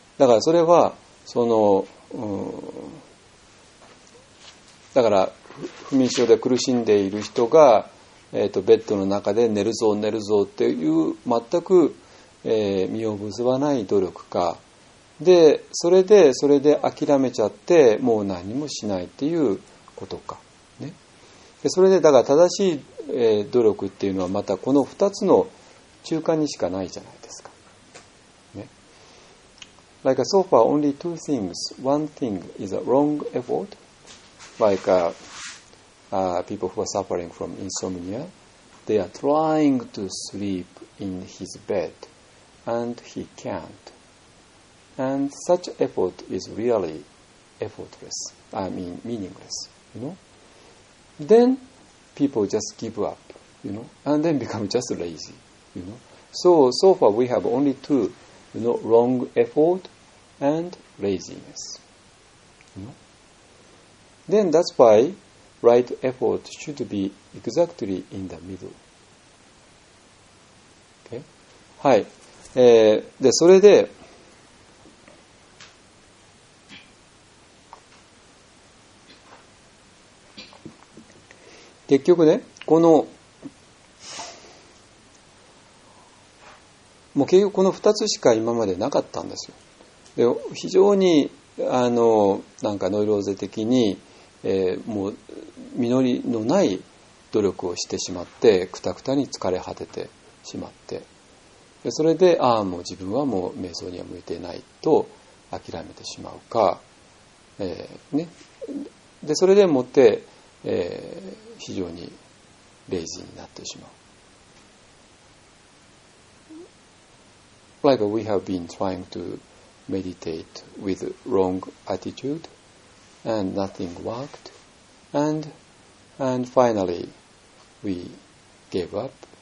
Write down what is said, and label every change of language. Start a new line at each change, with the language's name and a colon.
Japanese: だからそれは、その、だから不眠症で苦しんでいる人が、ベッドの中で寝るぞ寝るぞっていう全く、身を結ばない努力か、でそれで諦めちゃってもう何もしないっていうことか、ね、でそれでだから正しい、努力っていうのはまたこの2つの中間にしかないじゃないですか、ね、
English: Like so far only two things. One thing is a wrong effort, like aPeople who are suffering from insomnia, they are trying to sleep in his bed, and he can't. And such effort is really effortless, I mean meaningless, you know. Then people just give up, you know, and then become just lazy, you know. So far we have only two, you know, wrong effort and laziness, you know. Then that's why,Right effort should be exactly in the middle. Okay? はい。
Japanese: で、それで、結局ね、この、もう結局この2つしか今までなかったんですよ。で、非常に、なんかノイローゼ的に、もう実りのない努力をしてしまって、クタクタに疲れ果ててしまって、でそれで、ああもう自分はもう瞑想には向いていないと諦めてしまうか、ね、でそれでもって、非常にレイジーになってしまう。
English: Like we have been trying to meditate with wrong attitudeAnd nothing worked, and finally we gave up.